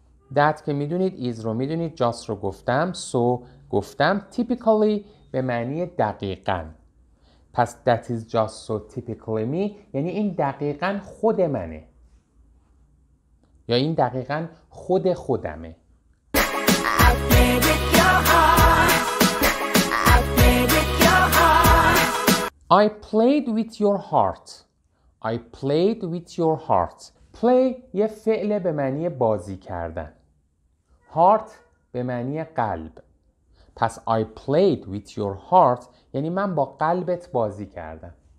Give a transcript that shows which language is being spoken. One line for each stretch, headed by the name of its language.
Persian: That که میدونید is رو میدونید، just رو گفتم، so گفتم، typically به معنی دقیقاً. پس
English: that is just so typically me
Persian: یعنی این دقیقاً خود منه یا این دقیقاً خود خودمه.
English: I played with your heart. I played with your heart. I played with your heart.
Persian: Play یه فعل به معنی بازی کردن. Heart به معنی قلب. پس
English: I played with your heart
Persian: یعنی من با قلبت بازی کردم.